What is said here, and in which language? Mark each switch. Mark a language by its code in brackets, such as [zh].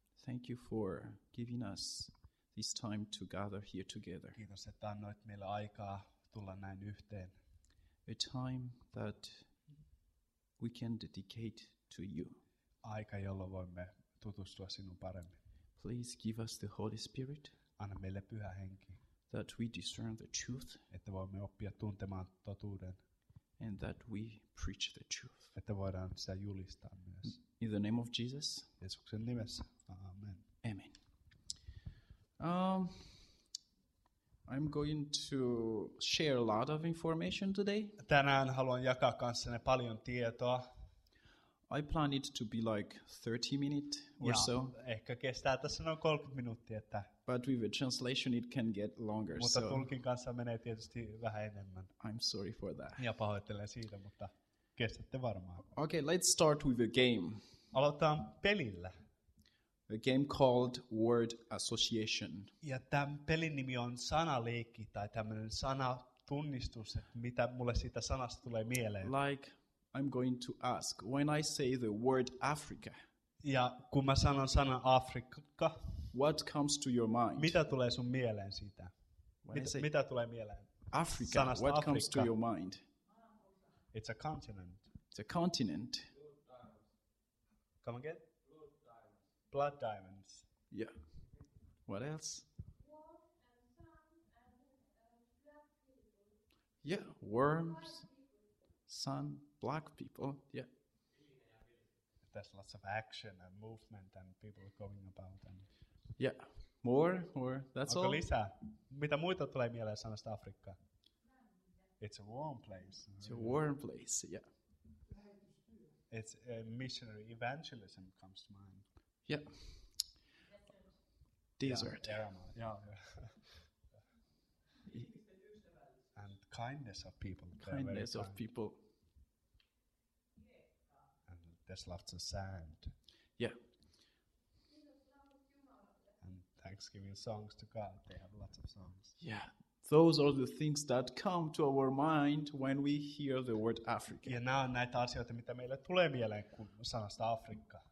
[en] thank you for giving us this time to gather here together. [fi] Kiitos, että annoit meille aikaa tulla näin yhteen. [en] A time that we can dedicate to you. [fi] Aika, jolla voimme tutustua sinun paremmin. [en] Please give us the Holy Spirit. [fi] Anna meille pyhä henki. [en] That we discern the truth. [fi] Että voimme oppia tuntemaan totuuden. [en] And that we preach the truth. [fi] Että voidaan sitä julistaa myös. [en] In the name of Jesus. [fi] Jeesuksen nimessä. Amen. [en] Amen. I'm going to share a lot of information today. [fi] Tänään haluan jakaa kanssanne paljon tietoa. [en] I plan it to be like 30 minutes or so. [fi] Ehkä kestää tässä noin 30 minuuttia. Että. [en] But with a translation it can get longer. [fi] Mutta tulkin kanssa menee tietysti vähän enemmän. [en] I'm sorry for that. [fi] Ja pahoittelen siitä, mutta kestätte varmaan. [en] Okay, let's start with a game. [fi] Aloitetaan pelillä. [en] A game called Word Association. [fi] Ja tämän pelin nimi on sanaleikki tai tämmöinen sanatunnistus, että mitä mulle siitä sanasta tulee mieleen. [en] Like I'm going to ask when I say the word Africa. [fi] Ja kun mä sanon sana Afrikka, [en] what comes to your mind? [fi] Mitä tulee sun mieleen siitä? Mitä tulee mieleen? [en] Africa. [fi] Sanasta [en] what [fi] Afrika. [en] Comes to your mind? It's a continent. It's a continent. Come again? Blood diamonds. Yeah. What else? Yeah, worms. Sun, black people, yeah. There's lots of action and movement and people going about. And yeah, more, that's [fi] onko [en] all. [fi] Lisää? Mitä muita tulee mieleen sanasta Afrikka? [en] It's a warm place. It's a warm place, yeah. It's a missionary evangelism comes to mind. Yeah. Desert. Yeah. And kindness of people. Kindness of people. There's lots of sand. Yeah. And Thanksgiving songs to God. They have lots of songs. Yeah. Those are the things that come to our mind when we hear the word Africa. [fi] Ja nämä on näitä asioita, mitä meille tulee mieleen, kun sanasta Afrikka.